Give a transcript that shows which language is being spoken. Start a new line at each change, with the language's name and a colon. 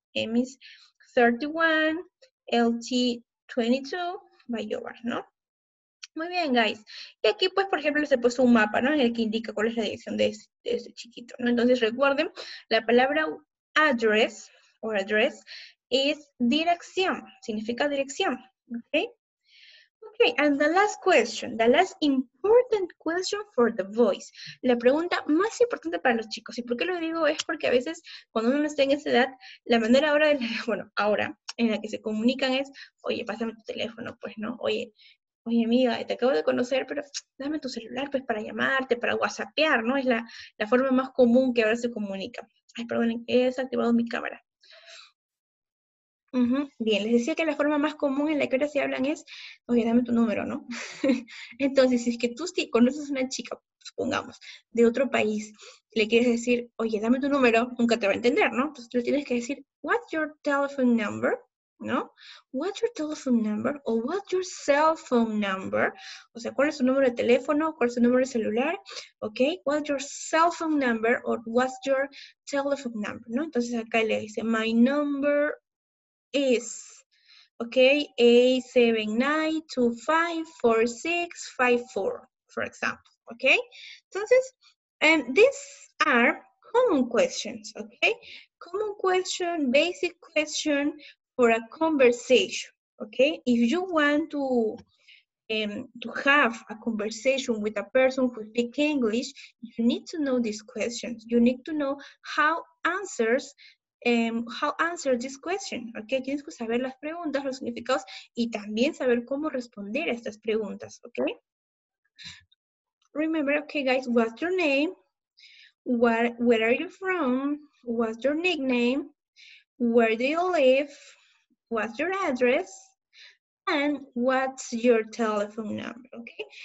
Spanish: M's 31, LT 22, Bayobar, ¿no? Muy bien, guys. Y aquí, pues, por ejemplo, les he puesto un mapa, ¿no? En el que indica cuál es la dirección de este chiquito, ¿no? Entonces, recuerden, la palabra address o address es dirección, significa dirección, ¿ok?
English: Okay, and the last question, the last important question for the boys.
Spanish: La pregunta más importante para los chicos. ¿Y por qué lo digo? Es porque a veces cuando uno está en esa edad, la manera ahora, bueno, ahora en la que se comunican es, oye, pásame tu teléfono, pues, ¿no? Oye, amiga, te acabo de conocer, pero dame tu celular, pues, para llamarte, para WhatsAppear, ¿no? Es la forma más común que ahora se comunica. Ay, perdón, he desactivado mi cámara. Bien, les decía que la forma más común en la que ahora se hablan es, oye, dame tu número, ¿no? Entonces, si es que tú si conoces a una chica, supongamos, de otro país, le quieres decir, oye, dame tu número, nunca te va a entender, ¿no? Entonces, tú le tienes que decir,
English: what's your telephone number,
Spanish: ¿no?
English: What's your telephone number o what's your cell phone number?
Spanish: O sea, ¿cuál es tu número de teléfono? ¿Cuál es tu número de celular? ¿Ok?
English: What's your cell phone number
Spanish: o
English: what's your telephone number,
Spanish: ¿no? Entonces, acá le dice,
English: my number is,
Spanish: ok, 879254654, for example, ok. Entonces,
English: these are common questions, ok. Common question, basic question for a conversation, Okay, if you want to have a conversation with a person who speaks English, you need to know these questions. You need to know how answer this question.
Spanish: Okay, tienes que saber las preguntas, los significados, y también saber cómo responder a estas preguntas.
English: Okay. Remember, okay, guys, what's your name? Where are you from? What's your nickname? Where do you live? What's your address? And what's your telephone number? Okay.